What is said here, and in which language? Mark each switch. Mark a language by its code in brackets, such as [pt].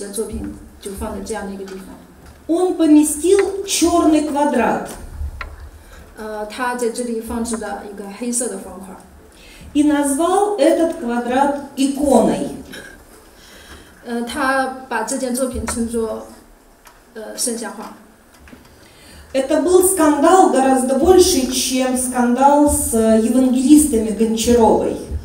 [zh] 在这个作品呢，它挂着的一个地方呢，其实是一个意义非凡的一个地方，这在俄罗斯称为叫红色的角落。那这个红色的角落一般都是放圣像画的一个地方，但是呢，马列维奇的作品就放在这样的一个地方。 [ru] Он поместил черный квадрат. [zh] 他在这里放置了一个黑色的方块。 [ru] И назвал этот квадрат иконой. [zh] 他把这件作品称作 [ru] Это был скандал гораздо больше, чем скандал с евангелистами Гончаровой.